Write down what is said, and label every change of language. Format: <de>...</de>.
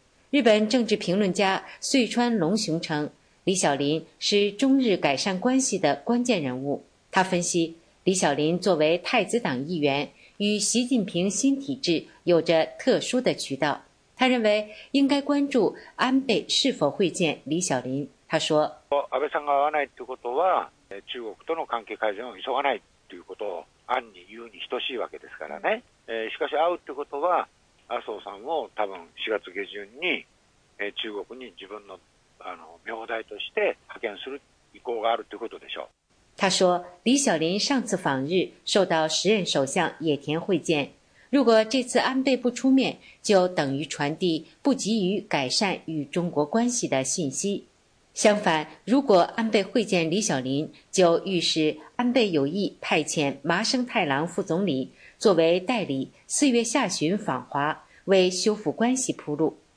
<zh>日本政治评论家穗川龙雄称，李小林是中日改善关系的关键人物。他分析，李小林作为太子党议员，与习近平新体制有着特殊的渠道。他认为应该关注安倍是否会见李小林。他说，</zh> <ja>安倍さんが会わないってことは中国との関係改善を急がないということを暗に言うに等しいわけですからね。しかし会うってことは麻生さんを多分4月下旬に中国に自分の名代として派遣する意向があるということでしょう。</ja> <zh>他说，李小林上次访日受到时任首相野田会见，如果这次安倍不出面，就等于传递不急于改善与中国关系的信息。相反，如果安倍会见李小林，就预示安倍有意派遣麻生太郎副总理作为代理，4月下旬访华，为修复关系铺路。</zh>